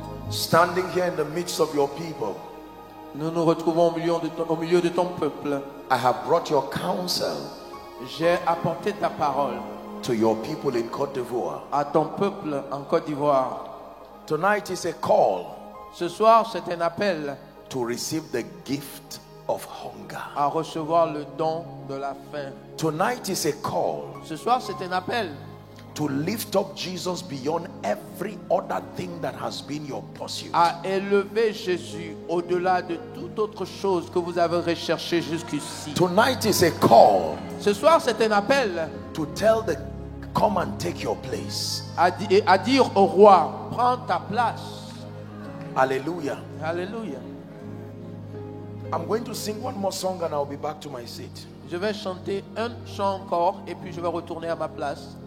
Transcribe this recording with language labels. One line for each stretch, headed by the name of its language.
English: standing here in the midst of your people,
French: nous nous retrouvons au milieu de ton peuple.
English: I have brought your counsel.
French: J'ai apporté ta parole
English: to your people in Côte d'Ivoire.
French: À ton peuple en Côte d'Ivoire.
English: Tonight is a call.
French: Ce soir, c'est un appel.
English: To receive the gift of hunger.
French: À recevoir le don de la faim.
English: Tonight is a call.
French: Ce soir, c'est un appel.
English: To lift up Jesus beyond every other thing that has been your pursuit.
French: À élever Jésus au-delà de toute autre chose que vous avez recherché jusqu'ici.
English: Tonight is a call.
French: Ce soir, c'est un appel.
English: To tell the, come and take your place.
French: À dire au roi, prends ta place. Alléluia. Alléluia.
English: I'm going to sing one more song and I'll be back to my seat.
French: Je vais chanter un chant encore et puis je vais retourner à ma place.